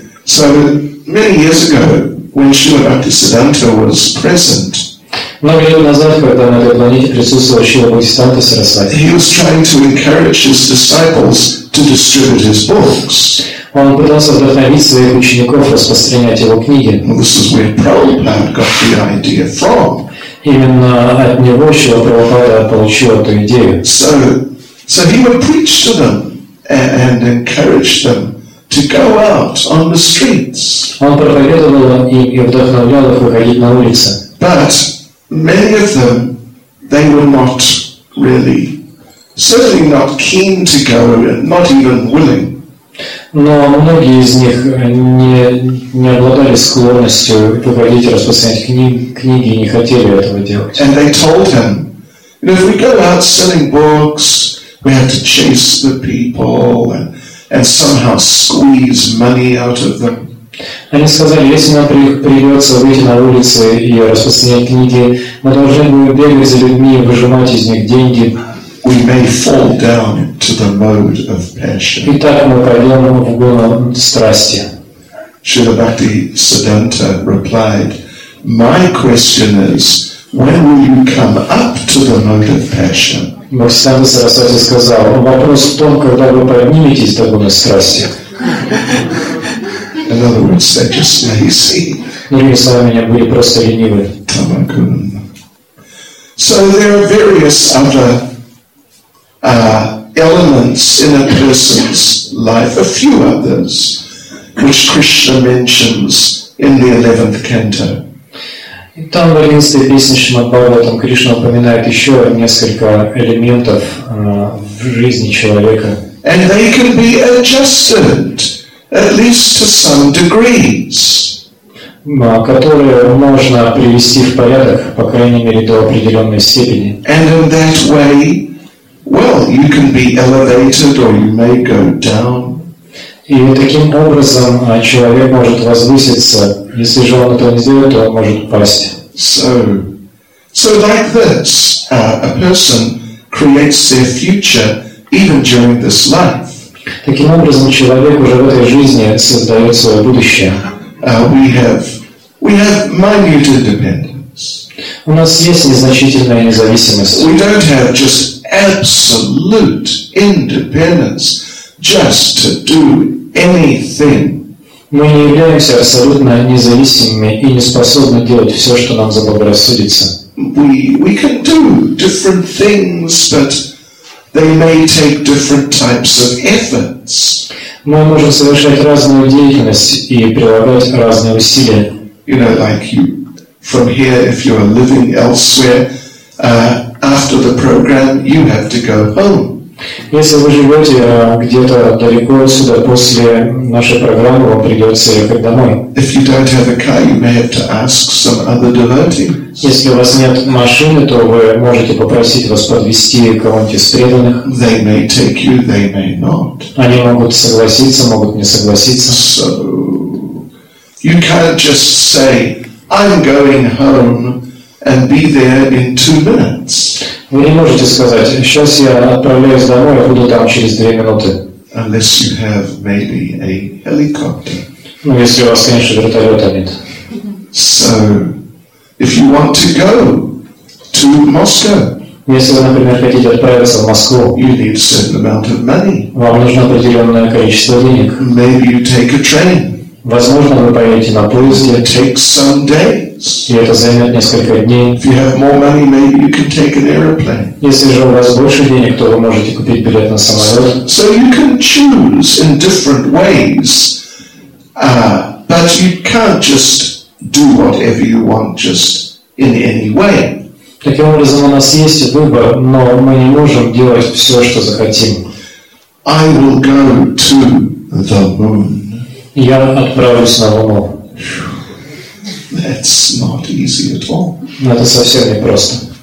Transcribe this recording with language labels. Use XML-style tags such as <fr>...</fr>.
<en>So many years ago, when Шрила Бхактисиддханта was present.</en> <ru>Много лет назад, когда на этой планете присутствовал Шрила Бхактисиддханта Сарасвати.</ru> <en>He was trying to encourage his disciples to distribute his books.</en> <ru>Он пытался вдохновить своих учеников распространять его книги.</ru> <en>This is where Prabhupada got the idea from.</en> <ru>Именно от него Шрила Прабхупада получил эту идею.</ru> <en>So he would preach to them and encourage them to go out on the streets.</en> <ru>Он проповедовал и вдохновлял их выходить на улицы.</ru> <en>But many of them, they were not really, certainly not keen to go, not even willing.</en> <ru>Но многие из них не обладали склонностью выходить распространять книги и не хотели этого делать.</ru> <en>And they told him, if we go out selling books, we have to chase the people and somehow squeeze money out of them.</en> <ru>Они сказали, если нам придется выйти на улицы и распространять книги, мы должны будем бегать за людьми и выжимать из них деньги.</ru> <en>We may fall down into the mode of passion.</en> <ru>И так мы пойдем в гону страсти.</ru> <en>Шрила Бхактисиддханта replied, my question is, when will you come up to the mode of passion?</en> <ru>Бхактисиддханта Сарасвати сказал, вопрос в том, когда вы подниметесь до гону страсти.</ru> <en>In other words, they just lazy.</en> <ru>Другими словами, они были просто ленивы.</ru> <en>So there are various other elements in a person's life, a few others, which Krishna mentions in the 11th canto.</en> <ru>Там в 11-й песне Шримад-Бхагаватам там Кришна упоминает еще несколько элементов в жизни человека.</ru> <en>And they can be adjusted. At least to some degrees.</en> <ru>Которые можно привести в порядок, по крайней мере, до определенной степени.</ru> <en>And in that way, well, you can be elevated or you may go down.</en> <ru>И таким образом человек может возвыситься. Если же он этого не сделает, то он может упасть.</ru> <en>So like this, a person creates their future even during this life.</en> <ru>Таким образом, человек уже в этой жизни создает свое будущее.</ru> <en>We have minute independence.</en> <ru>У нас есть незначительная независимость.</ru> <en>We don't have just absolute independence just to do anything.</en> <ru>Мы не являемся абсолютно независимыми и не способны делать все, что нам заблагорассудится.</ru> <en>We can do different things, but They may take different types of efforts.</en> <ru>Мы можем совершать разную деятельность и прилагать разные усилия.</ru> <en>You know, like you, from here, if you are living elsewhere, after the program, you have to go home.</en> <ru>Если вы живете где-то далеко отсюда, после нашей программы вам придется ехать домой.</ru> <en>If you don't have a car, you may have to ask some other devotee.</en> <ru>Если у вас нет машины, то вы можете попросить вас подвезти кого-нибудь из преданных.</ru> <en>They may take you, they may not.</en> <ru>Они могут согласиться, могут не согласиться.</ru> <en>So, you can't just say, I'm going home and be there in 2 minutes.</en> <ru>Вы не можете сказать, сейчас я отправляюсь домой, я буду там через 2 минуты.</ru> <en>Unless you have maybe a helicopter.</en> <ru>Ну, если у вас, конечно, вертолета нет.</ru> <en>So, if you want to go to Moscow,</en> <ru>если вы, например, хотите отправиться в Москву,</ru> <en>you need a certain amount of money.</en> <ru>Вам нужно определенное количество денег.</ru> <en>Maybe you take a train.</en> <ru>Возможно, вы поедете на поезде.</ru> <en>It takes some days.</en> <ru>И это займет несколько дней.</ru> <en>If you have more money, maybe you can take an airplane.</en> <ru>Если же у вас больше денег, то вы можете купить билет на самолет.</ru> <en>So you can choose in different ways, but you can't just do whatever you want just in any way.</en> <ru>Таким образом, у нас есть выбор, но мы не можем делать все, что захотим.</ru> <en>I will go to the moon.</en> <ru>Я отправлюсь на Луну.</ru> <en>That's not easy at all.</en> <ru>Это совсем не просто.</ru>